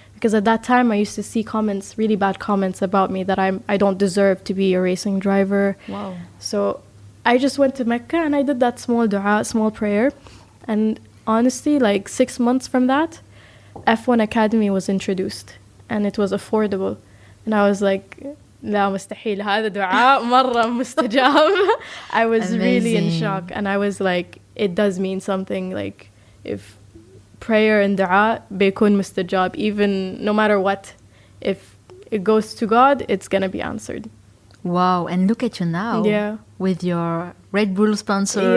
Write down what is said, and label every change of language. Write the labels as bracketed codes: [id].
[en] Because at that time, I used to see comments, really bad comments about me, that I don't deserve to be a racing driver. Wow. So I just went to Mecca and I did that small dua, small prayer. And honestly, like 6 months from that, F1 Academy was introduced and it was affordable. [ar] And I was like, لا مستحيل هذا دعاء مرة مستجاب. [en] I was amazing. Really in shock. And I was like, it does mean something. Like, if prayer and dua [ar] بيكون مستجاب, [en] even no matter what, if it goes to God, it's going to be answered. Wow. And look at you now. Yeah. With your Red Bull sponsors.